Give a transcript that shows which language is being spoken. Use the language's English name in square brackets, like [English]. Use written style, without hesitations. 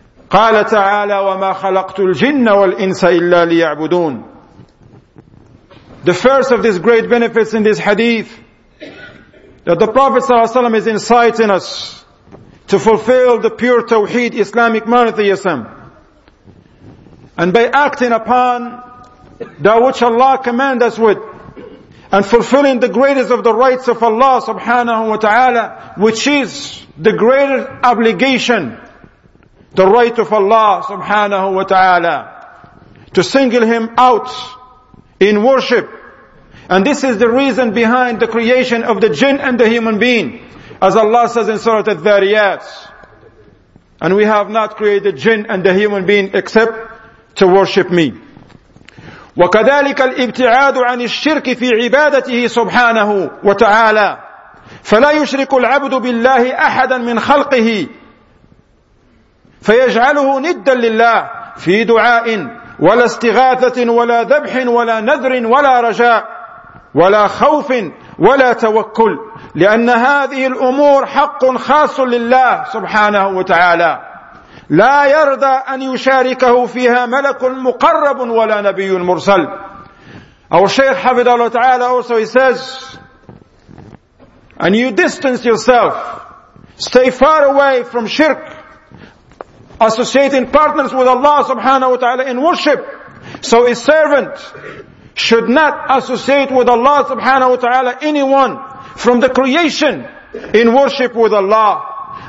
[Arabic] قال تعالى وما خلقت الجن والإنس إلا ليعبدون. [English] The first of these great benefits in this hadith, that the Prophet ﷺ is inciting us to fulfill the pure Tawheed, Islamic monotheism. And by acting upon that which Allah commands us with, and fulfilling the greatest of the rights of Allah subhanahu wa ta'ala, which is the greatest obligation, the right of Allah subhanahu wa ta'ala, to single Him out in worship. And this is the reason behind the creation of the jinn and the human being. As Allah says in Surah Al-Dhariyat, and we have not created jinn and the human being except to worship me. [Arabic] وكذلك الابتعاد عن الشرك في عبادته سبحانه وتعالى فلا يشرك العبد بالله أحدا من خلقه فيجعله ندا لله في دعاء ولا استغاثة ولا ذبح ولا نذر ولا رجاء ولا خوف ولا توكل لأن هذه الأمور حق خاص لله سبحانه وتعالى لا يرضى أن يشاركه فيها ملك مقرب ولا نبي مرسل. [English] Our Shaykh [Arabic] حفظه الله تعالى [English] also he says, and you distance yourself, stay far away from shirk, associating partners with Allah subhanahu wa ta'ala in worship. So a servant should not associate with Allah subhanahu wa ta'ala anyone from the creation in worship with Allah.